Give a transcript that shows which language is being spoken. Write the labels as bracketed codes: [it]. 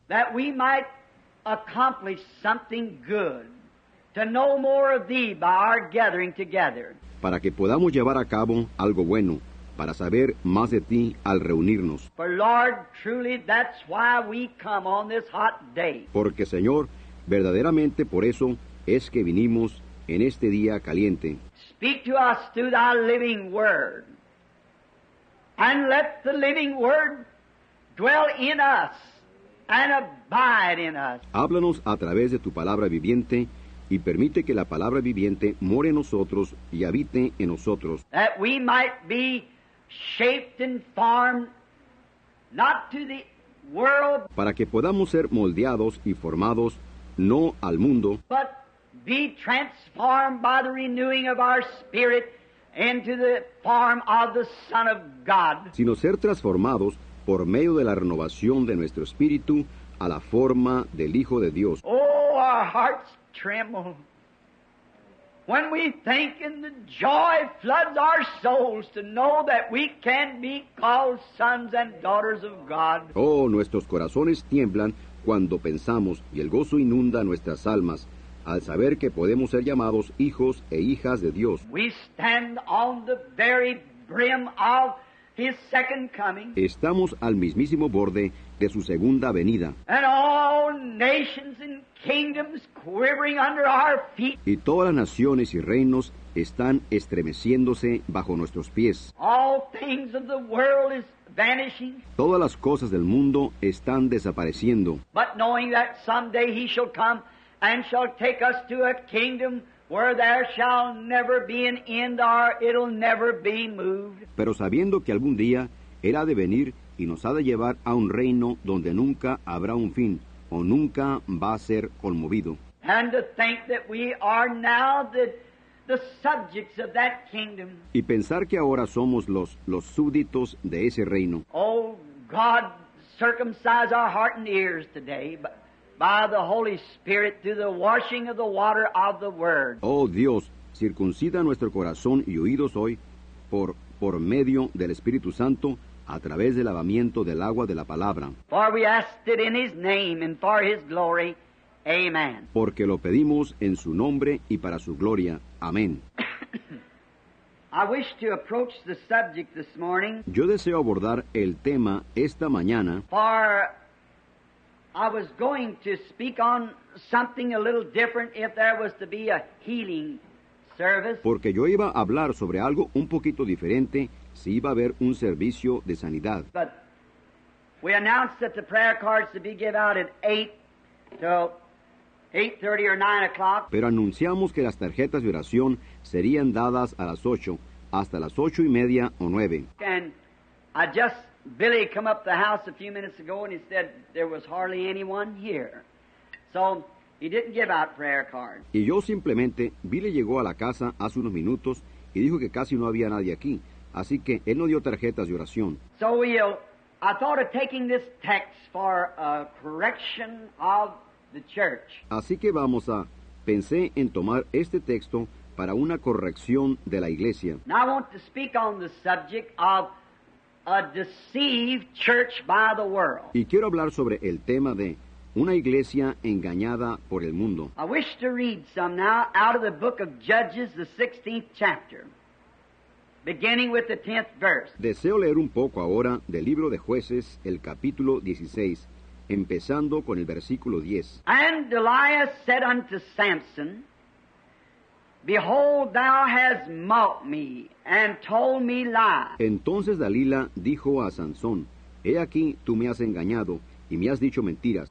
[en] That we might accomplish something good. To know more of Thee by our gathering together. [es] Para que podamos llevar a cabo algo bueno, para saber más de Ti al reunirnos. [en] For Lord, truly that's why we come on this hot day. [es] Porque Señor, verdaderamente por eso es que vinimos en este día caliente. [en] Speak to us through Thy living Word. And let the living Word dwell in us and abide in us. [es] Háblanos a través de Tu palabra viviente, y permite que la palabra viviente more en nosotros y habite en nosotros. [en] That we might be shaped and formed not to the world. [es] Para que podamos ser moldeados y formados no al mundo. [en] But be transformed by the renewing of our spirit into the form of the Son of God. [es] Sino ser transformados por medio de la renovación de nuestro espíritu a la forma del Hijo de Dios. [en] Oh, our hearts tremble when we think, and the joy floods our souls to know that we can be called sons and daughters of God. [es] Oh, nuestros corazones tiemblan cuando pensamos, y el gozo inunda nuestras almas al saber que podemos ser llamados hijos e hijas de Dios. [en] We stand on the very brim of His second coming. [es] Estamos al mismísimo borde de su segunda venida. [en] And all nations and kingdoms quivering under our feet. [es] Y todas las naciones y reinos están estremeciéndose bajo nuestros pies. [en] All things of the world is vanishing. [es] Todas las cosas del mundo están desapareciendo. [en] But knowing that someday He shall come and shall take us to a kingdom where there shall never be an end or it'll never be moved. [es] Pero sabiendo que algún día Él ha de venir y nos ha de llevar a un reino donde nunca habrá un fin o nunca va a ser conmovido. [en] And to think that we are now the subjects of that kingdom. [es] Y pensar que ahora somos los súbditos de ese reino. [en] Oh, God, circumcise our heart and ears today, but by the Holy Spirit through the washing of the water of the Word. [es] Oh Dios, circuncida nuestro corazón y oídos hoy por medio del Espíritu Santo a través del lavamiento del agua de la palabra. [en] For we asked it in His name and for His glory. Amen. [es] Porque lo pedimos en su nombre y para su gloria. Amén. [en] I wish to approach the subject this morning. [es] Yo deseo abordar el tema esta mañana. [en] For I was going to speak on something a little different if there was to be a healing service. [es] Porque yo iba a hablar sobre algo un poquito diferente si iba a haber un servicio de sanidad. [en] But we announced that the prayer cards to be given out at 8:30 or 9 o'clock. [es] Pero anunciamos que las tarjetas de oración serían dadas a las 8, hasta las 8 y media o 9. [en] And I just, Billy came up the house a few minutes ago and he said there was hardly anyone here. So he didn't give out prayer cards. [es] Y yo simplemente, Billy llegó a la casa hace unos minutos y dijo que casi no había nadie aquí. Así que él no dio tarjetas de oración. [en] So I thought of taking this text for a correction of the church. [es] Así que pensé en tomar este texto para una corrección de la iglesia. [en] Now I want to speak on the subject of a deceived church by the world. [es] Y quiero hablar sobre el tema de una iglesia engañada por el mundo. [en] I wish to read some now out of the book of Judges, the 16th chapter. Beginning with the 10th verse. [es] Deseo leer un poco ahora del libro de Jueces, el capítulo 16, empezando con el versículo 10. [en] And Delilah said unto Samson, Behold, thou hast mocked me, and told me lies. [es] Entonces Dalila dijo a Sansón, He aquí, tú me has engañado, y me has dicho mentiras.